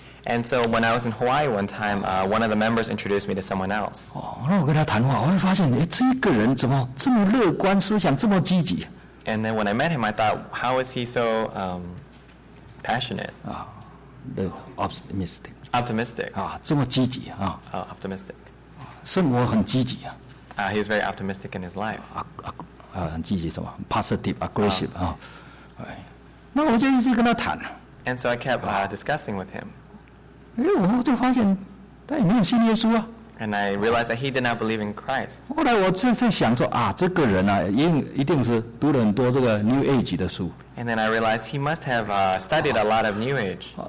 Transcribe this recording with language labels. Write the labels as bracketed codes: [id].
[en] And so when I was in Hawaii one time, one of the members introduced me to someone else. [zh] 那我跟他谈话，我会发现，这个人怎么这么乐观，思想这么积极 [en] ？And then when I met him, I thought, how is he so passionate? Optimistic. Optimistic. [zh] 这么积极啊。 [en] Optimistic. [zh] 生活很积极啊。 [en] He was very optimistic in his life. [zh] 很积极什么 ？ [en] Positive, aggressive [zh] 那我就一直跟他谈。 [en] And so I kept discussing with him. [zh] 我就发现他也没有信耶稣 [en] And I realized that he did not believe in Christ. [zh] 后来我正在想说这个人一定是读了很多这个 New Age 的书。 [en] And then I realized he must have studied a lot of New Age.